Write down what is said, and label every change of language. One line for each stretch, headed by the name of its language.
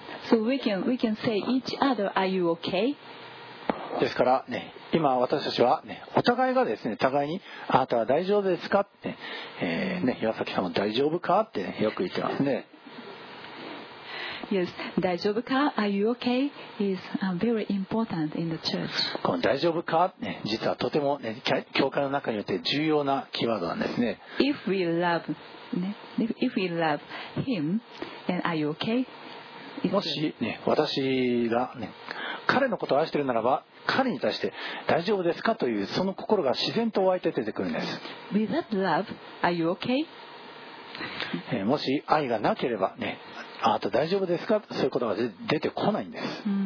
English: So we can say each other, are you okay?
Japanese: ですから、ね、今私たちは、ね、お互いがですね、互いにあなたは大丈夫ですかって、ね、岩崎さんも大丈夫かって、ね、よく言ってますね。
English: Yes,
Japanese: 大丈夫か?
English: Are you okay? Is very important in the church.
Japanese: この大丈夫か? ね、実はとても、ね、教会の中によって重要なキーワードなんですね。
English: If we love, ね、if we love him, then are you okay?
Japanese: もし、ね、私が、ね、彼のことを愛しているならば、彼に対して大丈夫ですか? というその心が自然と湧いて出てくるんです。
English: Without love, are you okay?
Japanese: もし愛がなければ、ね、あなた大丈夫ですか、そういうことが出てこないんです。